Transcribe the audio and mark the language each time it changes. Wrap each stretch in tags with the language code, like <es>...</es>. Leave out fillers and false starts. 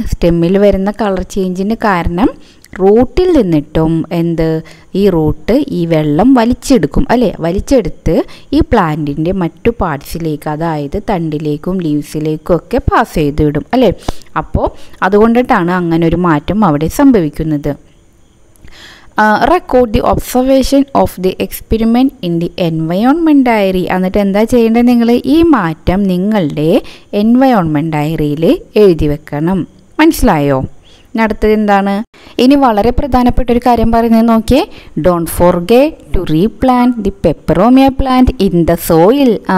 <ml>സ്റ്റെമ്മിൽ വരുന്ന കളർ ചേഞ്ചിന് കാരണം റൂട്ടിൽ നിന്നിട്ടും എന്ത് ഈ റൂട്ട് ഈ വെള്ളം വലിച്ചെടുക്കും അല്ലേ. വലിച്ചെടുത്ത് ഈ പ്ലാന്റിൻ്റെ മറ്റു പാർട്സിലേക്ക്, അതായത് തണ്ടിലേക്കും ലീവ്സിലേക്കും ഒക്കെ പാസ് ചെയ്ത് വിടും അല്ലേ. അപ്പോൾ അതുകൊണ്ടിട്ടാണ് അങ്ങനൊരു മാറ്റം അവിടെ സംഭവിക്കുന്നത്.</ml> <en>record the observation of the experiment in the environment diary.</en> <ml>അന്നിട്ട് എന്താ ചെയ്യേണ്ടത് നിങ്ങൾ ഈ മാറ്റം നിങ്ങളുടെ എൻവയോൺമെൻറ് ഡയറിയിൽ എഴുതി വെക്കണം. മനസ്സിലായോ? അടുത്തത് എന്താണ്? ഇനി വളരെ പ്രധാനപ്പെട്ട ഒരു കാര്യം പറയുന്നത് നോക്കിയേ.</ml> <en>Don't forget to replant the peperomia plant in the soil.</en>